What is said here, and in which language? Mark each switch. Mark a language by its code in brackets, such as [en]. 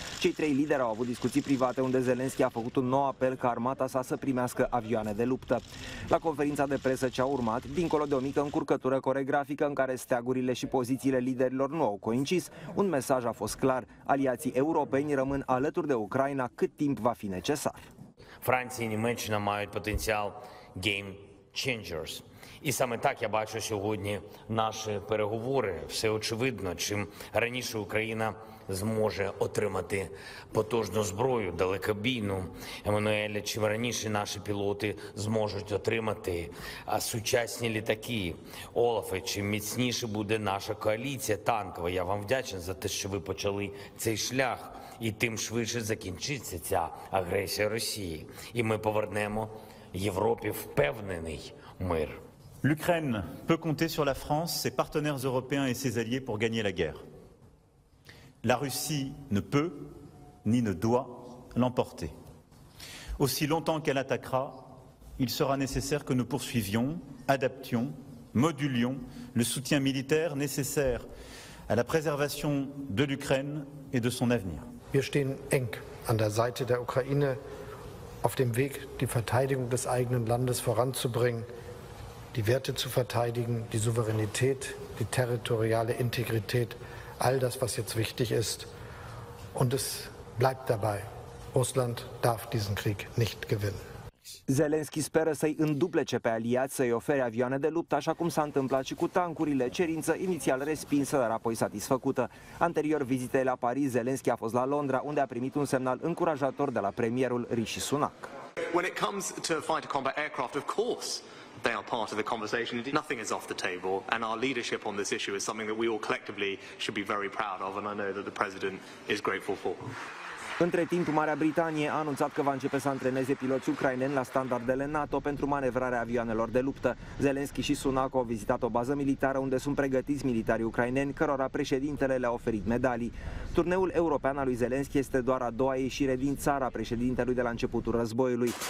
[ro] Cei trei lideri au avut discuții private, unde Zelenski a făcut un nou apel ca armata sa să primească avioane de luptă. La conferința de presă ce a urmat, dincolo de o mică încurcătură coregrafică în care steagurile și pozițiile liderilor nu au coincis, un mesaj a fost clar. Aliații europeni rămân alături de Ucraina cât timp va fi necesar. [uk] Франції і Німеччина мають потенціал [en] game changers. [uk] І саме так я бачу сьогодні наші переговори. Все очевидно, чим раніше Україна зможе отримати потужну зброю, далекобійну. Еммануеля, чим раніше наші пілоти зможуть отримати сучасні літаки. Олафе, чим міцніше буде наша коаліція танкова. Я вам вдячен за те, що ви почали цей шлях. І тим швидше закінчиться ця агресія Росії. І ми повернемо Європі впевнений мир. [fr] L'Ukraine peut compter sur la France, ses partenaires européens et ses alliés pour gagner la guerre. La Russie ne peut ni ne doit l'emporter. Aussi longtemps qu'elle attaquera, il sera nécessaire que nous poursuivions, adaptions, modulions le soutien militaire nécessaire à la préservation de l'Ukraine et de son avenir. [de] Wir stehen eng an der Seite der Ukraine auf dem Weg, die Verteidigung des eigenen Landes voranzubringen, die Werte zu verteidigen, die Souveränität, die territoriale Integrität, all das, was jetzt wichtig ist. Und es bleibt dabei. Russland darf diesen Krieg nicht gewinnen. [ro] Zelenski speră să-i înduplece pe aliați să-i ofere avioane de luptă, așa cum s-a întâmplat și cu tancurile, cerință inițial respinsă, dar apoi satisfăcută. Anterior vizitei la Paris, Zelenski a fost la Londra, unde a primit un semnal încurajator de la premierul Rishi Sunak. [en] When it comes to fighter combat aircraft, of course they are part of the conversation. Nothing is off the table, and our leadership on this issue is something that we all collectively should be very proud of, and I know that the president is grateful for. [ro] Între timp, Marea Britanie a anunțat că va începe să antreneze piloți ucraineni la standardele NATO pentru manevrarea avioanelor de luptă. Zelenski și Sunak au vizitat o bază militară unde sunt pregătiți militarii ucraineni, cărora președintele le-a oferit medalii. Turneul european al lui Zelenski este doar a doua ieșire din țara președintelui de la începutul războiului.